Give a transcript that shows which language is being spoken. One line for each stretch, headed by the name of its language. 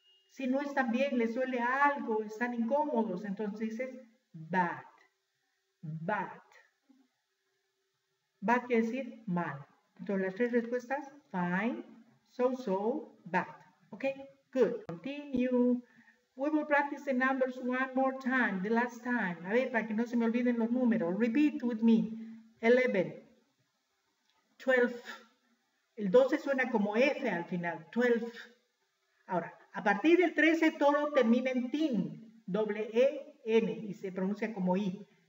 Spanish: Si no están bien, les duele algo, están incómodos, entonces dices bad. Bad. Bad quiere decir mal. Entonces las tres respuestas, fine, so, so, bad.
English: Ok, good. Continue. We will practice the numbers one more time, the last time.
Spanish: A ver, para que no se me olviden los números.
English: Repeat with me. 11. 12.
Spanish: El 12 suena como F al final. 12. Ahora, a partir del 13 todo termina en tin, doble E-N, y se pronuncia como I.